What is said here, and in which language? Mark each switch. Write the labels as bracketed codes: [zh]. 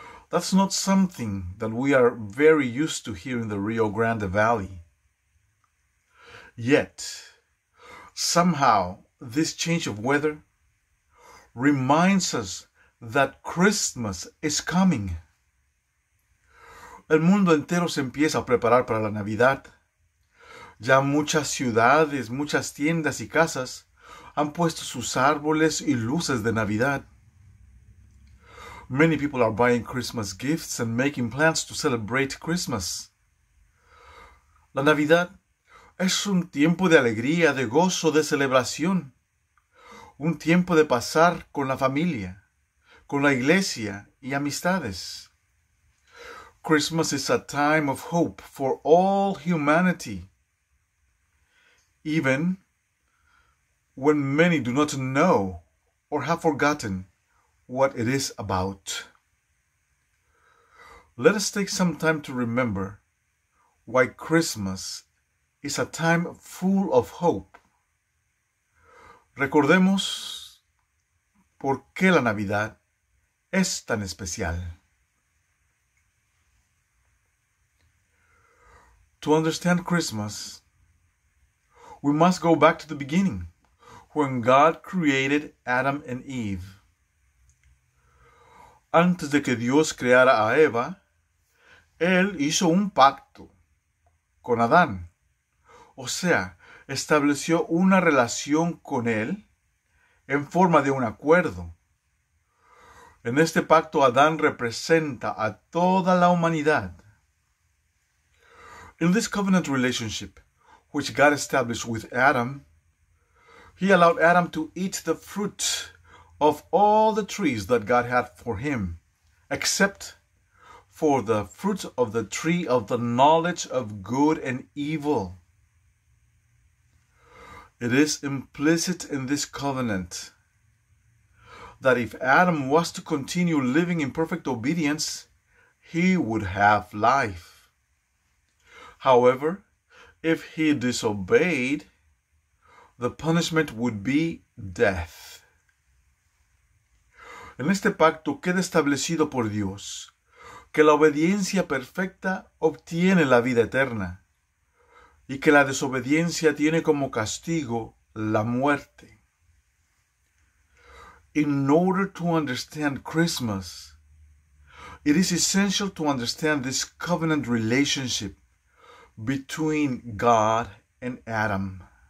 [en] That's not something that we are very used to here in the Rio Grande Valley. Yet, somehow, this change of weather reminds us that Christmas is coming. [es] El mundo entero se empieza a preparar para la Navidad. Ya muchas ciudades, muchas tiendas y casas han puesto sus árboles y luces de Navidad. [en] Many people are buying Christmas gifts and making plans to celebrate Christmas. [es] La Navidad es un tiempo de alegría, de gozo, de celebración. Un tiempo de pasar con la familia, con la iglesia y amistades. [en] Christmas is a time of hope for all humanity. Even when many do not know or have forgotten what it is about. Let us take some time to remember why Christmas is a time full of hope. [es] Recordemos por qué la Navidad es tan especial. [en] To understand Christmas, we must go back to the beginning, when God created Adam and Eve. [es] Antes de que Dios creara a Eva, Él hizo un pacto con Adán. O sea, estableció una relación con él en forma de un acuerdo. En este pacto, Adán representa a toda la humanidad. [en] In this covenant relationship, which God established with Adam, He allowed Adam to eat the fruit of all the trees that God had for him, except for the fruit of the tree of the knowledge of good and evil. It is implicit in this covenant that if Adam was to continue living in perfect obedience, he would have life. However, if he disobeyed, the punishment would be death. [es] En este pacto queda establecido por Dios que la obediencia perfecta obtiene la vida eterna y que la desobediencia tiene como castigo la muerte. [en] In order to understand Christmas, it is essential to understand this covenant relationship between God and Adam.